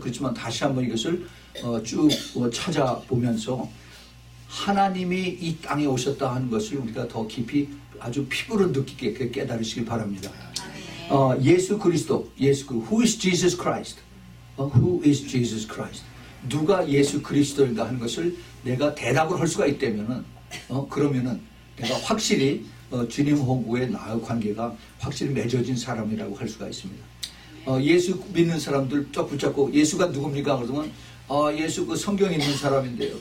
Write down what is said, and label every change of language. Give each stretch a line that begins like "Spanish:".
Korean: 그렇지만 다시 한번 이것을 찾아보면서 하나님이 이 땅에 오셨다 하는 것을 우리가 더 깊이 아주 피부로 느끼게 깨달으시길 바랍니다.
English: 예수 그리스도 Who is Jesus Christ? Who is Jesus Christ?
Korean: 누가 예수 그리스도인가 하는 것을 내가 대답을 할 수가 있다면 그러면은 내가 확실히 주님 호구의 나의 관계가 확실히 맺어진 사람이라고 할 수가 있습니다. 예수 믿는 사람들 쫙 붙잡고 예수가 누굽니까? 그러면 예수 그 성경 있는 사람인데요.